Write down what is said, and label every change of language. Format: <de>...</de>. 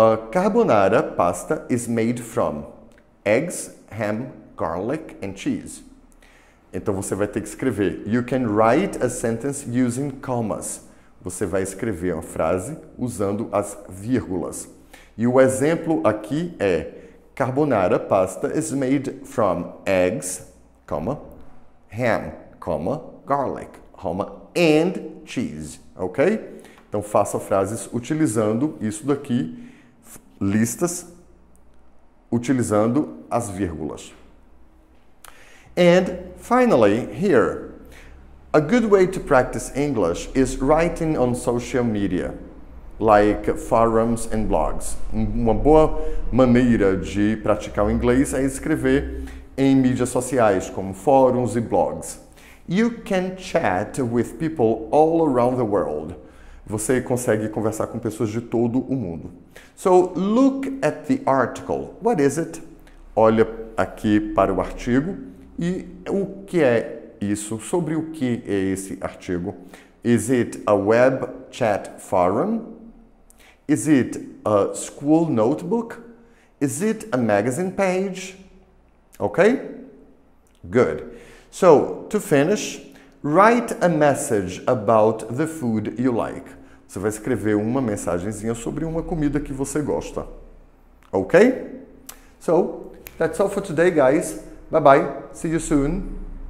<en>Carbonara pasta is made from eggs, ham, garlic and cheese.</en> <pt>Então você vai ter que escrever.</pt> <en>You can write a sentence using commas.</en> <pt>Você vai escrever uma frase usando as vírgulas. E o exemplo aqui é</pt> <en>carbonara pasta is made from eggs, comma, ham, comma, garlic, comma, and cheese. Ok?</en> <pt>Então faça frases utilizando isso daqui, listas, utilizando as vírgulas.</pt> <en>And finally, here, a good way to practice English is writing on social media, like forums and blogs.</en> <pt>Uma boa maneira de praticar o inglês é escrever em mídias sociais, como fóruns e blogs.</pt> <en>You can chat with people all around the world.</en> <pt>Você consegue conversar com pessoas de todo o mundo.</pt> <en>So, look at the article. What is it?</en> <pt>Olha aqui para o artigo. E o que é isso? Sobre o que é esse artigo?</pt> <en>Is it a web chat forum? Is it a school notebook? Is it a magazine page? Okay? Good. So, to finish, write a message about the food you like.</en> <pt>Você vai escrever uma mensagenzinha sobre uma comida que você gosta.</pt> <en>Okay? So, that's all for today, guys. Bye-bye. See you soon.</en>